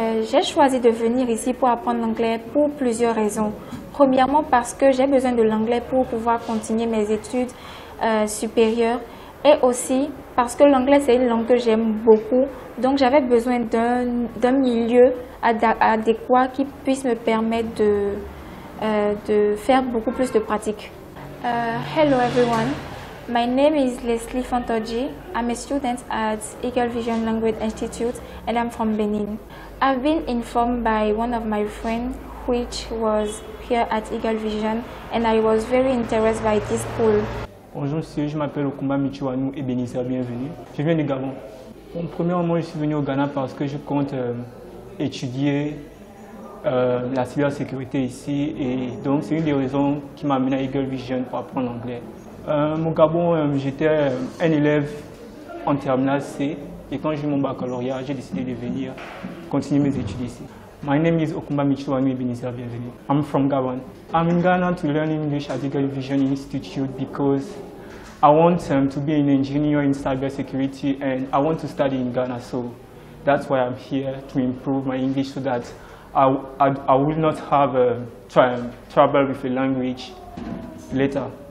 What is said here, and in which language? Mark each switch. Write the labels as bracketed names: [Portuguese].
[French] J'ai choisi de venir ici pour apprendre l'anglais pour plusieurs raisons. Premièrement parce que j'ai besoin de l'anglais pour pouvoir continuer mes études supérieur. Et aussi parce que l'anglais, c'est une langue que j'aime beaucoup. Donc, j'avais besoin d'un milieu adéquat qui puisse me permettre de faire beaucoup plus de pratiques. [English] Hello everyone. My name is Leslie Fontoji. I'm a student at Eagle Vision Language Institute and I'm from Benin. I've been informed by one of my friends which was here at Eagle Vision and I was very interested by this school. [French] Bonjour, monsieur. Je m'appelle Okumba Michiwanu et Benisa, bienvenue. Je viens du Gabon. Bon, premièrement, je suis venu au Ghana parce que je compte étudier la cybersécurité ici et donc c'est une des raisons qui m'a amené à Eagle Vision pour apprendre l'anglais. Mon Gabon, j'étais un élève en terminale C et quand j'ai eu mon baccalauréat, j'ai décidé de venir continuer mes études ici. [English] My name is Okumba Michiwanu Ebenezer, bienvenue. I'm from Gabon. I'm in Ghana to learn English at Eagle Vision Institute because I want to be an engineer in cybersecurity and I want to study in Ghana, so that's why I'm here, to improve my English so that I will not have trouble with the language later.